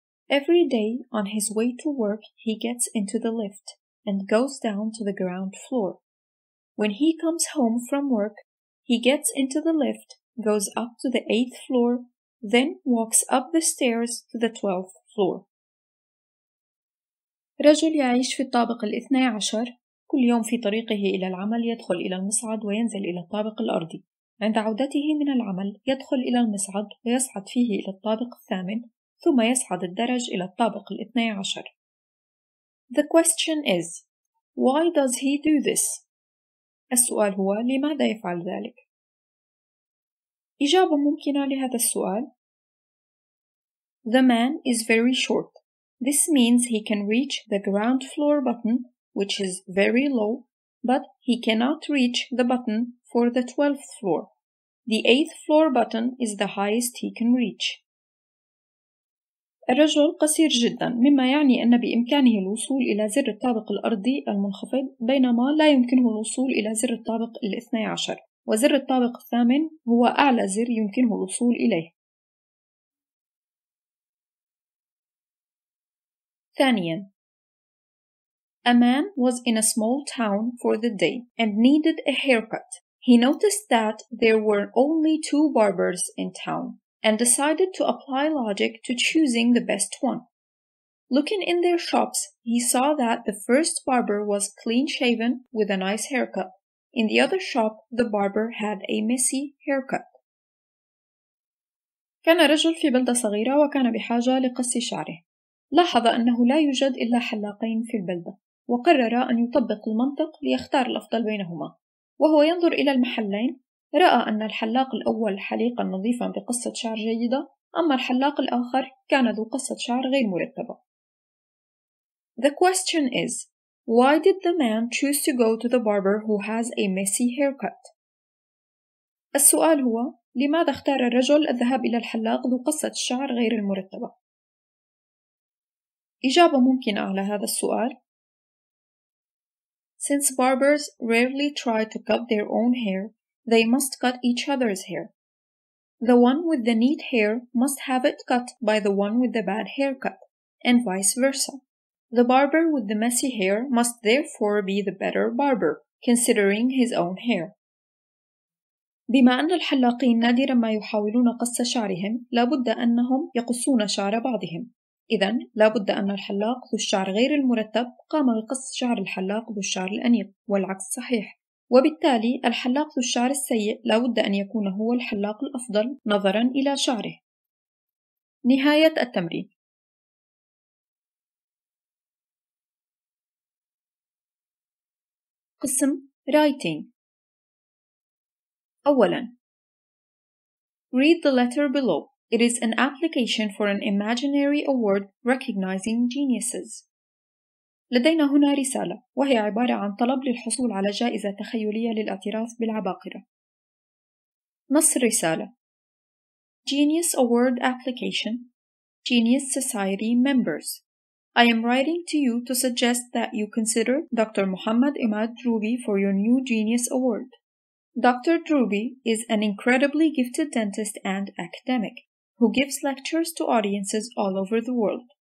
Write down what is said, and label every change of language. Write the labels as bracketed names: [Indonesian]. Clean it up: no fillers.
[English] Every day on his way to work, he gets into the lift and goes down to the ground floor. When he comes home from work, he gets into the lift, goes up to the 8th floor, then walks up the stairs to the 12th floor. [Arabic] رجل يعيش في الطابق الاثني عشر. كل يوم في طريقه إلى العمل يدخل إلى المصعد وينزل إلى الطابق الأرضي. عند عودته من العمل يدخل إلى المصعد ويصعد فيه إلى الطابق الثامن ثم يصعد الدرج إلى الطابق الاثني عشر. [English] The question is, why does he do this? [Arabic] السؤال هو لماذا يفعل ذلك؟ إجابة ممكنة لهذا السؤال. [English] The man is very short. This means he can reach the ground floor button, which is very low, but he cannot reach the button for the 12th floor. The 8th floor button is the highest he can reach. [Arabic] الرجل قصير جدا, مما يعني أن بإمكانه الوصول إلى زر الطابق الأرضي المنخفض, بينما لا يمكنه الوصول إلى زر الطابق الاثني عشر, وزر الطابق الثامن هو أعلى زر يمكنه الوصول إليه. ثانيا, [English] a man was in a small town for the day and needed a haircut. He noticed that there were only two barbers in town and decided to apply logic to choosing the best one. Looking in their shops, he saw that the first barber was clean-shaven with a nice haircut. In the other shop, the barber had a messy haircut. [Arabic] كان رجل في بلدة صغيرة وكان بحاجة لقص شعره. لاحظ أنه لا يوجد إلا حلاقين في البلدة, وقرر أن يطبق المنطق ليختار الأفضل بينهما. وهو ينظر إلى المحلين, رأى أن الحلاق الأول حليقا نظيفا بقصة شعر جيدة, أما الحلاق الآخر كان ذو قصة شعر غير مرتبة. [English] The question is, why did the man choose to go to the barber who has a messy haircut? [Arabic] السؤال هو, لماذا اختار الرجل الذهاب إلى الحلاق ذو قصة شعر غير المرتبة؟ إجابة ممكنة على هذا السؤال. [English] Since barbers rarely try to cut their own hair, they must cut each other's hair. The one with the neat hair must have it cut by the one with the bad haircut, and vice versa. The barber with the messy hair must therefore be the better barber, considering his own hair. [Arabic] بما أن الحلاقين نادراً ما يحاولون قص شعرهم, لابد أنهم يقصون شعر بعضهم. إذن لابد أن الحلاق ذو الشعر غير المرتب قام بقص شعر الحلاق ذو الشعر الأنيق, والعكس صحيح. وبالتالي الحلاق ذو الشعر السيء لابد أن يكون هو الحلاق الأفضل نظراً إلى شعره. نهاية التمرين. قسم Writing. أولاً, [English] Read the letter below. It is an application for an imaginary award recognizing geniuses. [Arabic] لدينا هنا رسالة, وهي عبارة عن طلب للحصول على جائزة تخيلية للاعتراف بالعباقرة. نص الرسالة: [English] Genius Award Application, Genius Society Members. I am writing to you to suggest that you consider Dr. Muhammad Imad Droubi for your new Genius Award. Dr. Droubi is an incredibly gifted dentist and academic who gives lectures to audiences all over the world.